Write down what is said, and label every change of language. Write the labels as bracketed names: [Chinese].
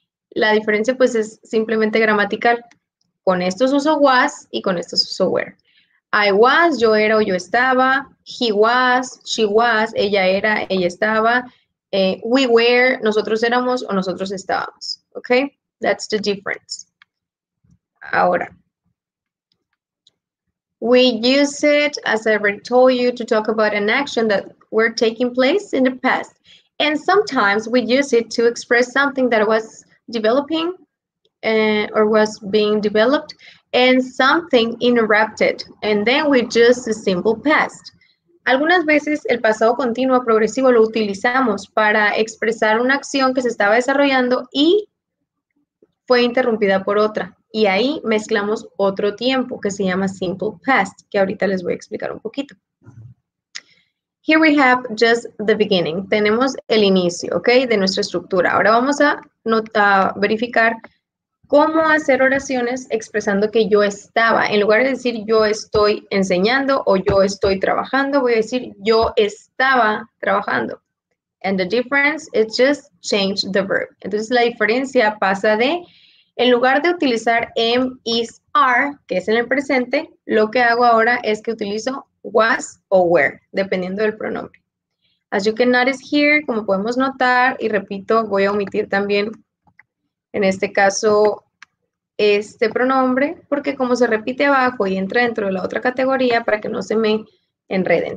[Spanish] La diferencia, pues, es simplemente gramatical. Con estos uso was y con estos uso were. I was, yo era o yo estaba, he was, she was, ella era, ella estaba, we were, nosotros éramos o nosotros estábamos, ¿ok? [English] That's the difference. Ahora, we use it, as I already told you, to talk about an action that were taking place in the past. And sometimes we use it to express something that was developing or was being developed and something interrupted, and then we just a simple past. [Spanish] Algunas veces el pasado continuo progresivo lo utilizamos para expresar una acción que se estaba desarrollando y fue interrumpida por otra. Y ahí mezclamos otro tiempo que se llama simple past, que ahorita les voy a explicar un poquito. [English] Here we have just the beginning. [Spanish] Tenemos el inicio, ¿ok? De nuestra estructura. Ahora vamos a verificar ¿cómo hacer oraciones expresando que yo estaba? En lugar de decir yo estoy enseñando o yo estoy trabajando, voy a decir yo estaba trabajando. [English] And the difference is just change the verb. [Spanish] Entonces, la diferencia pasa de, en lugar de utilizar am, is, are, que es en el presente, lo que hago ahora es que utilizo was o were, dependiendo del pronombre. [English] As you can notice here, [Spanish] como podemos notar, y repito, voy a omitir también, en este caso, este pronombre, porque como se repite abajo y entra dentro de la otra categoría para que no se me enreden.